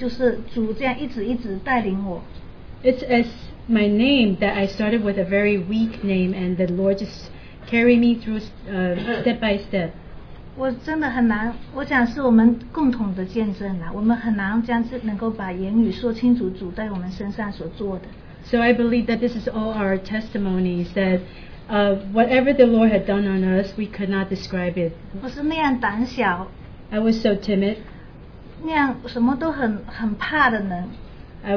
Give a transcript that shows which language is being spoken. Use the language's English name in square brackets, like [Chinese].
[Chinese] 我是那好像我的名字一样，从那么弱的人，就是主这样一直带领我。 [English] It's as my name that I started with a very weak name, and the Lord just carried me through step by step. [Chinese] 我真的很难，我想是我们共同的见证啦。我们很难将是能够把言语说清楚主在我们身上所做的。 [English] So I believe that this is all our testimonies that whatever the Lord had done on us, we could not describe it. [Chinese] 我是那样胆小。 [English] I was so timid. [Chinese] 那样什么都很怕的人。 [English] I